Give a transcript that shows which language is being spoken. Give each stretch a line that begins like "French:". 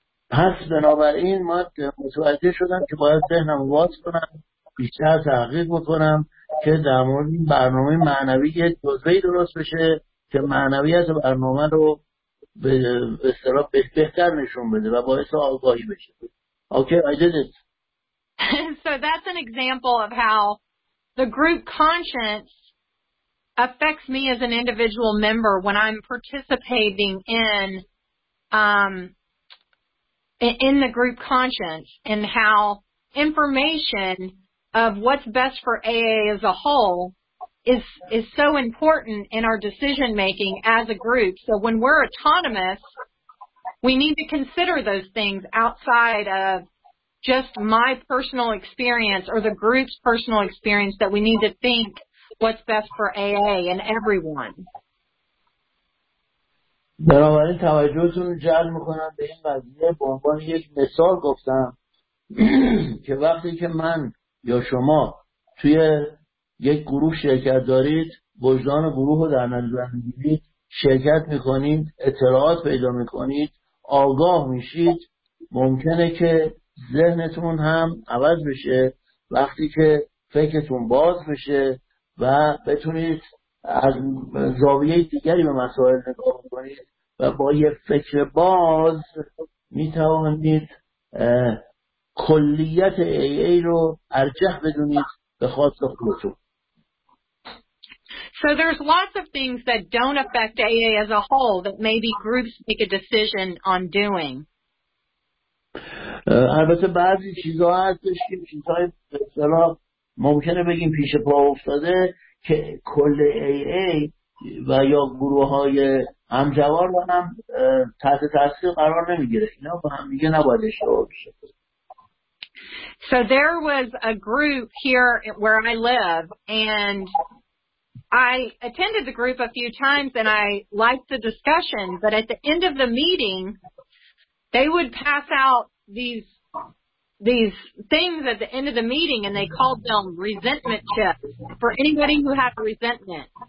Persian: پس بنابراین ما متوجه شدم که باید ذهنم واس کنم، بیشتر تحقیق بکنم که در مورد این برنامه معنوی یه جزوه درست بشه که معنویت برنامه رو به اصطلاح بهتر نشون بده و باعث آگاهی بشه.
English: Okay, I did it. So that's an example of how the group conscience affects me as an individual member when I'm participating in the group conscience, and how information of what's best for AA as a whole is so important in our decision making as a group. So when we're autonomous, we need to consider those things outside of just my personal experience or the group's personal experience, that we need to think what's best for AA and everyone.
Persian: بنابراین توجهتون جلب میکنم به این قضیه به عنوان یک مثال گفتم که وقتی که من یا شما توی یک گروه شرکت دارید، وجدان گروه رو در نظر میگیرید، شرکت میکنید، اطلاعات پیدا میکنید، آگاه میشید، ممکنه که ذهنتون هم عوض بشه وقتی که فکرتون باز بشه و بتونید از زاویه دیگری به مسائل نگاه کنید و با یه فکر باز میتوانید کلیت ای ای رو ارجح بدونید به خواست خودتون.
English: So there's lots of things that don't affect AA as a whole that maybe groups make a decision on doing.
Persian: البته بعضی چیزا هستش که چیزای به اصطلاح ممکنه بگیم پیش پا افتاده که کل AA و یا گروه‌های همجوار و هم تحت تاثیر قرار نمیگیره. اینا با هم دیگه نباید اشتباه بشه.
English: So there was a group here where I live, and I attended the group a few times and I liked the discussion, but at the end of the meeting, they would pass out these things at the end of the meeting, and they called them resentment chips for anybody who had resentment.